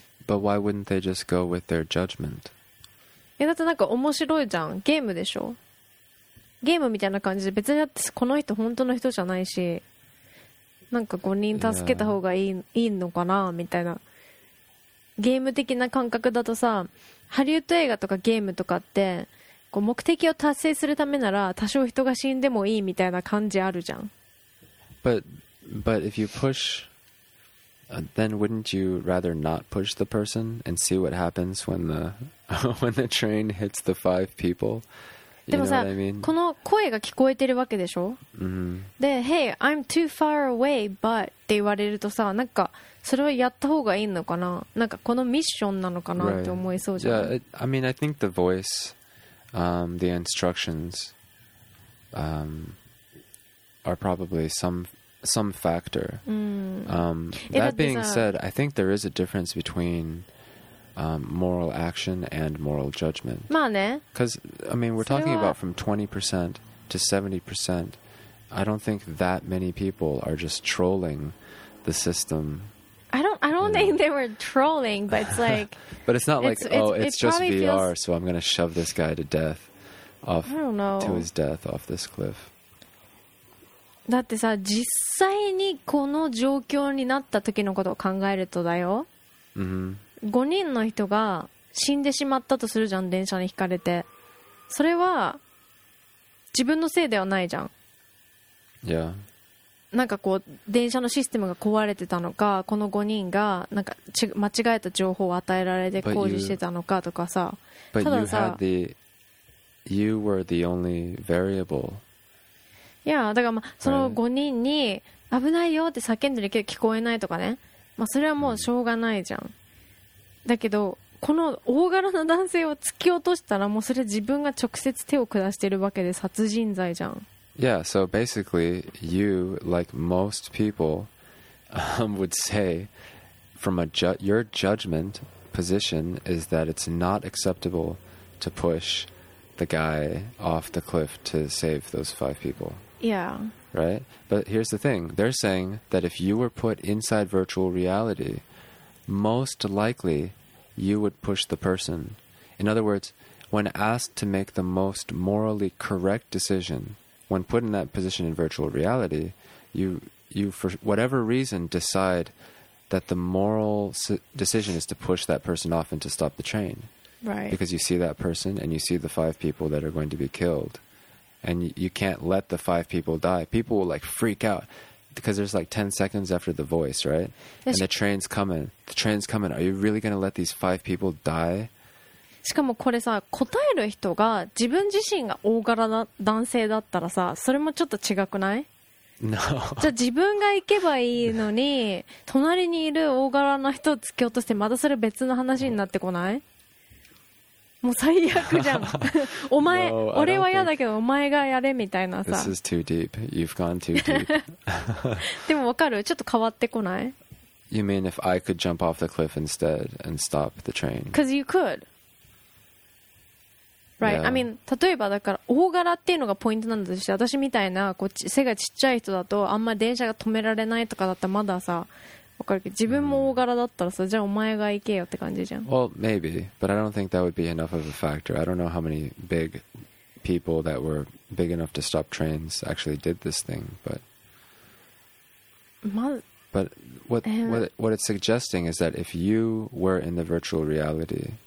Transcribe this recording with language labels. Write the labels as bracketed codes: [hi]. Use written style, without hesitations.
[en] But why wouldn't they just go with their judgment? [ja] だってなんか面白いじゃん。ゲームでしょ。ゲームみたいな感じで、別にだってこの人本当の人じゃないし、なんか5人助けた方がいい、yeah. いいのかなみたいな。ゲーム的な感覚だとさ、ハリウッド映画とかゲームとかってこう目的を達成するためなら多少人が死んでもいいみたいな感じあるじゃん。 [en] But if you push then wouldn't you rather not push the person and see what happens when the train hits the five people? [ja] でもさ、 [en] I mean? [ja] この声が聞こえてるわけでしょ、 mm-hmm. で [en] Hey, I'm too far away but [ja] って言われるとさ、なんかそれはやった方がいいのかな、なんかこのミッションなのかな、 [en] right. [ja] って思いそうじゃん。 [en] Yeah, I mean, I think the voice、the instructions、are probably some factor、 mm. That being said, I think there is a difference betweenmoral action and moral judgment. [ja] まあね。 [en] Because, I mean, we're talking about from 20% to 70%. I don't think that many people are just trolling the system. I don't think they were trolling, but it's like... but it's not like, it's just VR, feels... so I'm going to shove this guy to death. Off, I don't know. To his death off this cliff. [ja] だってさ、実際にこの状況になった時のことを考えるとだよ。 Mm-hmm. 5人の人が死んでしまったとするじゃん、電車に轢かれて。それは自分のせいではないじゃん。いや、なんかこう電車のシステムが壊れてたのか、この5人がなんか間違えた情報を与えられて工事してたのかとかさ。 [en] But you had the you were the only variable. [ja] Yeah, だからまあその5人に危ないよって叫んでるけど聞こえないとかね、まあそれはもうしょうがないじゃん。だけどこの大柄な男性を突き落としたら、もうそれ自分が直接手を下してるわけで殺人罪じゃん。 [en] Yeah, so basically you, like most people, would say from a your judgment position is that it's not acceptable to push the guy off the cliff to save those five people. Yeah. Right? But here's the thing. They're saying that if you were put inside virtual realityMost likely, you would push the person. In other words, when asked to make the most morally correct decision, when put in that position in virtual reality, you for whatever reason decide that the moral decision is to push that person off and to stop the train. Right. Because you see that person and you see the five people that are going to be killed, and you can't let the five people die. People will like freak out. Because there's like 10 seconds after the voice, right? And the train's coming. Are you really going to let these five people die? [ja] しかもこれさ、答える人が自分自身が大柄な男性だったらさ、それもちょっと違くない？ [en] No. [ja] じゃあ自分が行けばいいのに、隣にいる大柄な人を突き落として、またそれ別の話になってこない？もう最悪じゃん。お前、 [en] no, [ja] 俺は嫌だけどお前がやれみたいなさ。 [en] This is too deep. You've gone too deep. [ja] でもわかる？ちょっと変わってこない？ [en] You mean if I could jump off the cliff instead and stop the train? Because you could. Right.、 Yeah. I mean, [ja] 例えばだから大柄っていうのがポイントなんだとして、私みたいなこう背がちっちゃい人だとあんまり電車が止められないとかだったらまださ。わかるけど、自分も大柄だったらさ、じゃあお前が行けよって感じじゃん。 [en] Well, maybe, but I don't think that would be enough of a factor. I don't know how many big people that were big enough to stop trains actually did this thing, but what it's suggesting is that if you were in the virtual reality,